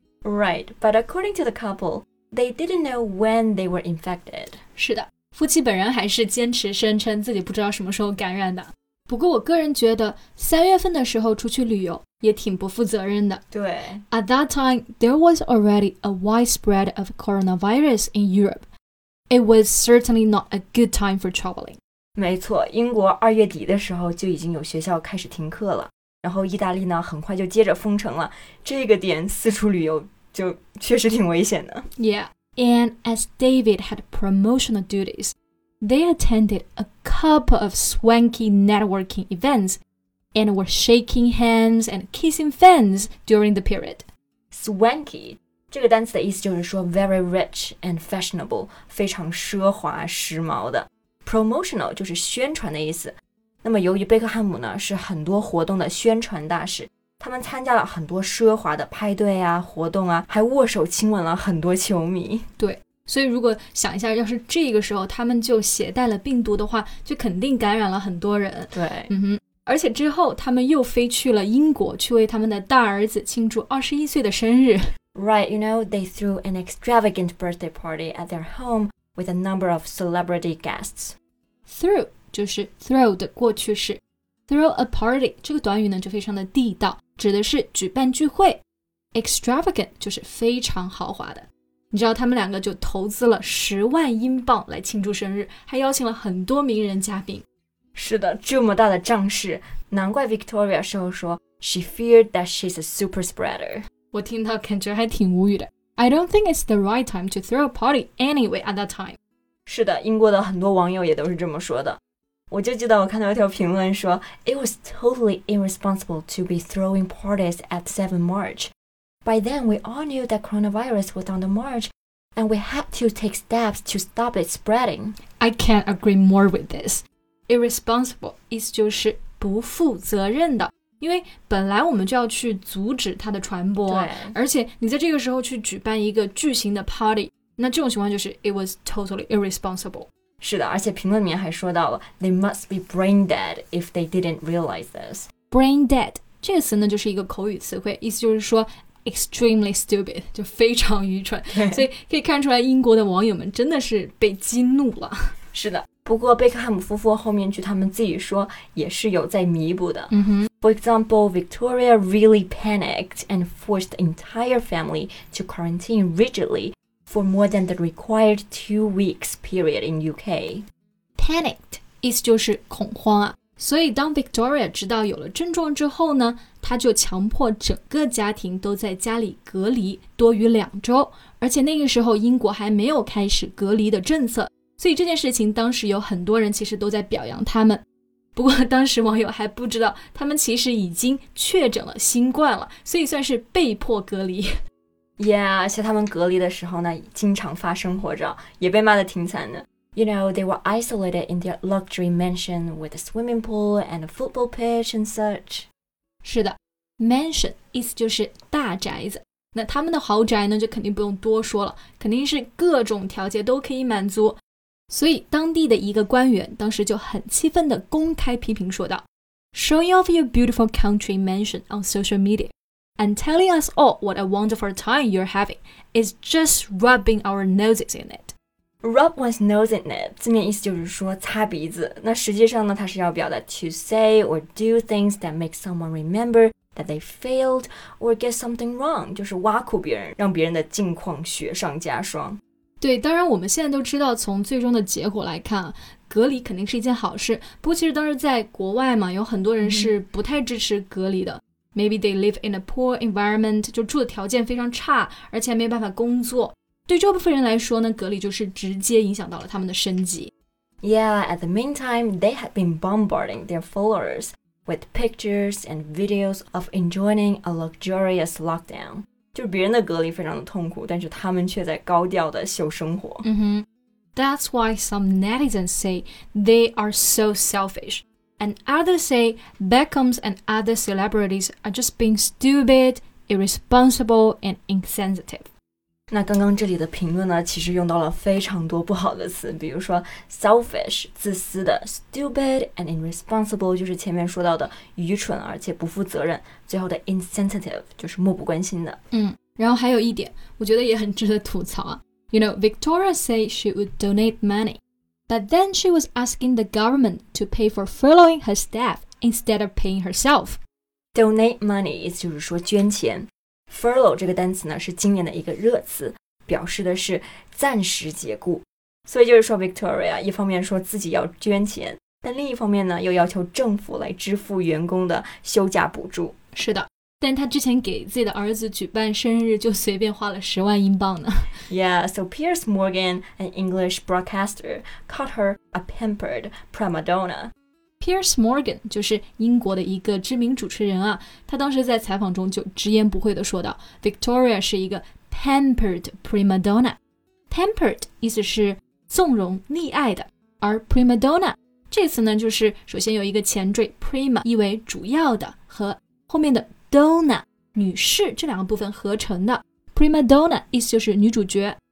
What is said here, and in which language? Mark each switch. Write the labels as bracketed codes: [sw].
[en] Right, but according to the couple, they didn't know when they were infected. [zh] 是的，夫妻本人还是坚持声称自己不知道什么时候感染的。不过我个人觉得三月份的时候出去旅游也挺不负责任的。对。 [en] At that time, there was already a widespread of coronavirus in Europe. It was certainly not a good time for traveling. [zh] 没错，英国二月底的时候就已经有学校开始停课了，然后意大利呢很快就接着封城了，这个点四处旅游就确实挺危险的。 [en] Yeah, and as David had promotional duties, they attended a couple of swanky networking events and were shaking hands and kissing fans during the period. [zh] Swanky, 这个单词的意思就是说 [en] very rich and fashionable, [zh] 非常奢华时髦的。 Promotional 就是宣传的意思。那么由于贝克汉姆呢是很多活动的宣传大使，他们参加了很多奢华的派对啊、活动啊，还握手亲吻了很多球迷。对，所以如果想一下，要是这个时候他们就携带了病毒的话，就肯定感染了很多人。对，嗯哼。而且之后他们又飞去了英国去为他们的大儿子庆祝21岁的生日。 [en] Right, you know, they threw an extravagant birthday party at their homeWith a number of celebrity guests. [zh] Through 就是 throw 的过去式。 [en] Throw a party [zh] 这个短语呢就非常的地道，指的是举办聚会。 Extravagant 就是非常豪华的。你知道他们两个就投资了10万英镑来庆祝生日，还邀请了很多名人嘉宾。是的，这么大的仗势，难怪 Victoria 事后说 [en] She feared that she's a super spreader. [zh] 我听到感觉还挺无语的。 [en] I don't think it's the right time to throw a party anyway at that time. [zh] 是的，英国的很多网友也都是这么说的。我就记得我看到一条评论说 [en] It was totally irresponsible to be throwing parties at 7 March. By then, we all knew that coronavirus was on the march, and we had to take steps to stop it spreading. I can't agree more with this. [zh] Irresponsible 意思就是不负责任的，因为本来我们就要去阻止它的传播，而且你在这个时候去举办一个巨型的 party， 那这种情况就是 [en] it was totally irresponsible。 [zh] 是的，而且评论里面还说到了 [en] they must be brain dead if they didn't realize this. [zh] Brain dead 这个词呢就是一个口语词汇，意思就是说 [en] extremely stupid， [zh] 就非常愚蠢。所以可以看出来英国的网友们真的是被激怒了。是的，不过贝克汉姆夫妇后面据他们自己说也是有在弥补的。 Mm-hmm. [en] For example, Victoria really panicked and forced the entire family to quarantine rigidly for more than the required 2 weeks period in UK. [zh] Panicked 意思就是恐慌啊。所以当 Victoria 知道有了症状之后呢，她就强迫整个家庭都在家里隔离多于2周，而且那个时候英国还没有开始隔离的政策。所以这件事情当时有很多人其实都在表扬他们，不过当时网友还不知道他们其实已经确诊了新冠了，所以算是被迫隔离。 Yeah， 而且他们隔离的时候呢经常发生火灾，也被骂得挺惨的。 [en] You know, they were isolated in their luxury mansion with a swimming pool and a football pitch and such. [zh] 是的， mansion 意思就是大宅子，那他们的豪宅呢就肯定不用多说了，肯定是各种条件都可以满足。所以当地的一个官员当时就很气愤地公开批评说道， [en] Showing off your beautiful country mansion on social media and telling us all what a wonderful time you're having is just rubbing our noses in it. Rub one's nose in it [zh] 字面意思就是说擦鼻子，那实际上呢它是要表达 [en] to say or do things that make someone remember that they failed or get something wrong， [zh] 就是挖苦别人让别人的境况雪上加霜。对，当然我们现在都知道从最终的结果来看，隔离肯定是一件好事，不过其实当时在国外嘛，有很多人是不太支持隔离的。 [en] Maybe they live in a poor environment， [zh] 就住的条件非常差，而且没有办法工作。对这部分人来说呢，隔离就是直接影响到了他们的生计。 [en] Yeah, at the meantime, they had been bombarding their followers with pictures and videos of enjoying a luxurious lockdown. [zh] 就是别人的隔离非常的痛苦，但是他们却在高调的秀生活。 Mm-hmm. [en] That's why some netizens say they are so selfish. And others say Beckhams and other celebrities are just being stupid, irresponsible, and insensitive. [zh] 那刚刚这里的评论呢，其实用到了非常多不好的词，比如说 selfish, 自私的， [en] stupid and irresponsible [zh] 就是前面说到的愚蠢而且不负责任，最后的 insensitive 就是漠不关心的。嗯，然后还有一点我觉得也很值得吐槽啊。 [en] You know, Victoria said she would donate money, but then she was asking the government to pay for furloughing her staff instead of paying herself. Donate money [zh] 意思就是说捐钱。Furlough 这个单词呢是今年的一个热词，表示的是暂时解雇。所以就是说 Victoria 一方面说自己要捐钱，但另一方面呢又要求政府来支付员工的休假补助。是的，但他之前给自己的�儿子举办生日就随便花了10万英镑呢。 [en] Yeah, so Piers Morgan, an English broadcaster, called her a pampered prima donna. [zh] Piers Morgan 就是英国的一个知名主持人啊，他当时在采访中就直言不讳地说道 Victoria 是一个 [en] pampered prima donna。 [zh] Pampered 意思是纵容溺爱的，而 prima donna 这次呢就是首先有一个前缀 prima 意为主要的和后面的 donna 女士这两个部分合成的， prima donna 意思就是女主角。